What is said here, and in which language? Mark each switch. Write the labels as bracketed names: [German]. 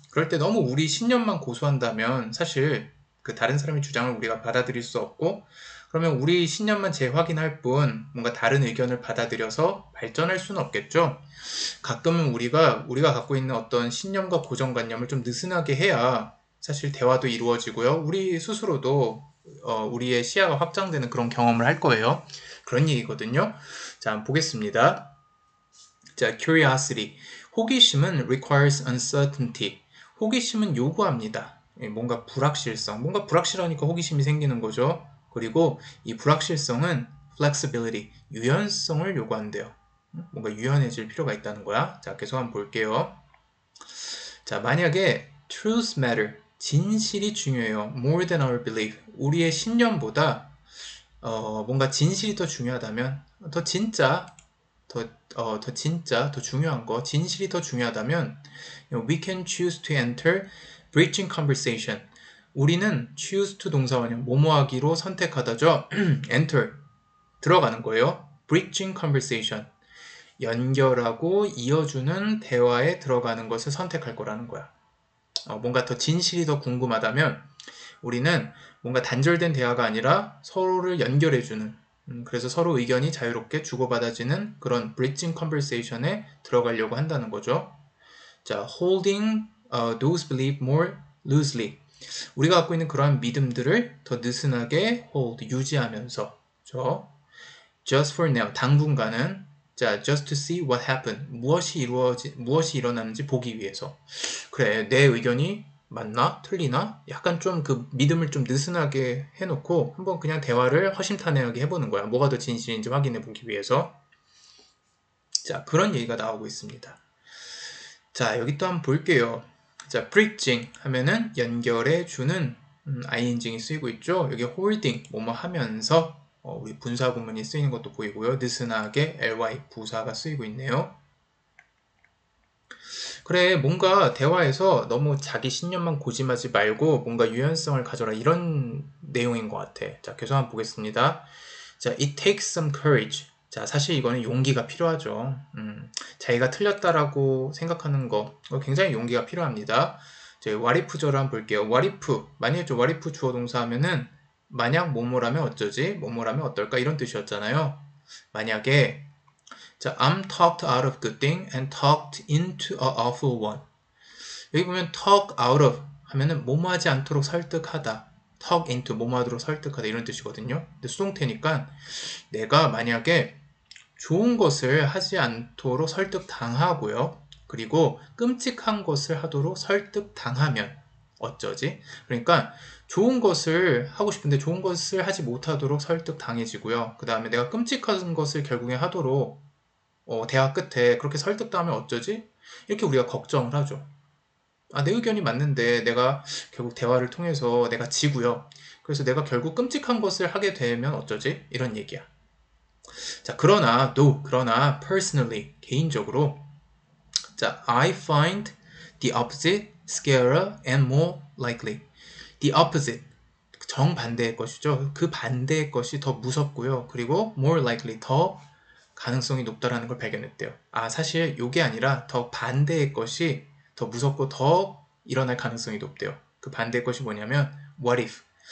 [Korean] 그럴 때 너무 우리 신념만 고수한다면 사실 그 다른 사람의 주장을 우리가 받아들일 수 없고, 그러면 우리 신념만 재확인할 뿐 뭔가 다른 의견을 받아들여서 발전할 수는 없겠죠. 가끔은 우리가 갖고 있는 어떤 신념과 고정관념을 좀 느슨하게 해야 사실 대화도 이루어지고요. 우리 스스로도 우리의 시야가 확장되는 그런 경험을 할 거예요. 그런 얘기거든요. 자, 한번 보겠습니다. 자, curiosity. [English] 호기심은 requires uncertainty. [Korean] 호기심은 요구합니다. 뭔가 불확실성. 뭔가 불확실하니까 호기심이 생기는 거죠. 그리고 이 불확실성은 flexibility, 유연성을 요구한대요. 뭔가 유연해질 필요가 있다는 거야. 자, 계속 한번 볼게요. 자, 만약에 [English] truth matter, [Korean] 진실이 중요해요. [English] more than our belief, [Korean] 우리의 신념보다, 뭔가 진실이 더 중요하다면, 더 진짜, 더 중요한 거, 진실이 더 중요하다면, [English] we can choose to enter breaching conversation. [Korean] 우리는 choose to 동사원형, 뭐뭐 하기로 선택하다죠? enter. 들어가는 거예요. [English] breaching conversation. [Korean] 연결하고 이어주는 대화에 들어가는 것을 선택할 거라는 거야. 뭔가 더 진실이 더 궁금하다면, 우리는 뭔가 단절된 대화가 아니라 서로를 연결해주는, 그래서 서로 의견이 자유롭게 주고받아지는 그런 bridging conversation에 들어가려고 한다는 거죠. [English] 자, holding those beliefs more loosely. [Korean] 우리가 갖고 있는 그러한 믿음들을 더 느슨하게 hold, 유지하면서. 그렇죠? [English] Just for now, [Korean] 당분간은. [English] 자, just to see what happened. [Korean] 무엇이 일어나는지 보기 위해서. 그래, 내 의견이 맞나? 틀리나? 약간 좀그 믿음을 좀 느슨하게 해놓고 한번 그냥 대화를 허심탄회하게 해보는 거야. 뭐가 더 진실인지 확인해보기 위해서. 자, 그런 얘기가 나오고 있습니다. 자, 여기 또 한번 볼게요. 자, preaching 하면은 연결해주는 ing이 쓰이고 있죠. 여기 holding, 뭐뭐 하면서 우리 분사 부문이 쓰이는 것도 보이고요. 느슨하게 ly 부사가 쓰이고 있네요. 그래, 뭔가 대화에서 너무 자기 신념만 고집하지 말고 뭔가 유연성을 가져라. 이런 내용인 것 같아. 자, 계속 한번 보겠습니다. [English] 자, it takes some courage. [Korean] 자, 사실 이거는 용기가 필요하죠. 자기가 틀렸다라고 생각하는 거. 굉장히 용기가 필요합니다. 저희 what if절을 한번 볼게요. [English] what if. [Korean] 만약에 저 what if 주어 동사 하면은 만약 뭐뭐라면 어쩌지? 뭐뭐라면 어떨까? 이런 뜻이었잖아요. [English] 만약에 자, I'm talked out of good thing and talked into a awful one. [Korean] 여기 보면 talk out of 하면은 뭐뭐하지 않도록 설득하다. talk into 뭐뭐하도록 설득하다 이런 뜻이거든요. 근데 수동태니까 내가 만약에 좋은 것을 하지 않도록 설득당하고요. 그리고 끔찍한 것을 하도록 설득당하면 어쩌지? 그러니까 좋은 것을 하고 싶은데 좋은 것을 하지 못하도록 설득당해지고요. 그다음에 내가 끔찍한 것을 결국에 하도록 대화 끝에 그렇게 설득당하면 어쩌지? 이렇게 우리가 걱정을 하죠. 아, 내 의견이 맞는데 내가 결국 대화를 통해서 내가 지고요. 그래서 내가 결국 끔찍한 것을 하게 되면 어쩌지? 이런 얘기야. [English] 자, 그러나, no, 그러나, personally, [Korean] 개인적으로, [English] 자, I find the opposite scarier and more likely. [Korean] The opposite, 정반대의 것이죠. 그 반대의 것이 더 무섭고요. 그리고 more likely, 더 가능성이 높다라는 걸 발견했대요. 아, 사실 이게 아니라 더 반대의 것이 더 무섭고 더 일어날 가능성이 높대요. 그 반대의 것이 뭐냐면, what if?